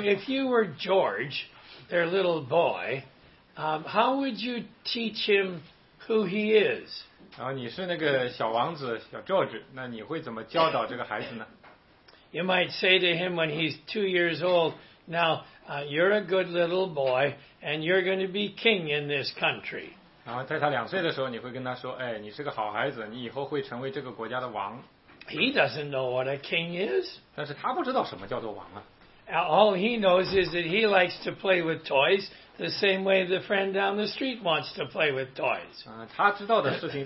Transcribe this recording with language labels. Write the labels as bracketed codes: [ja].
[en] if you were George, their little boy, how would you teach him who he is? [zh] 然后你是那个小王子小 George， 那你会怎么教导这个孩子呢？ [en] You might say to him when he's 2 years old, now, you're a good little boy, and you're going to be king in this country. [zh] 然后在他两岁的时候，你会跟他说，哎，你是个好孩子，你以后会成为这个国家的王。 [en] He doesn't know what a king is. [zh] 但是他不知道什么叫做王啊。 [en] All he knows is that he likes to play with toys the same way the friend down the street wants to play with toys.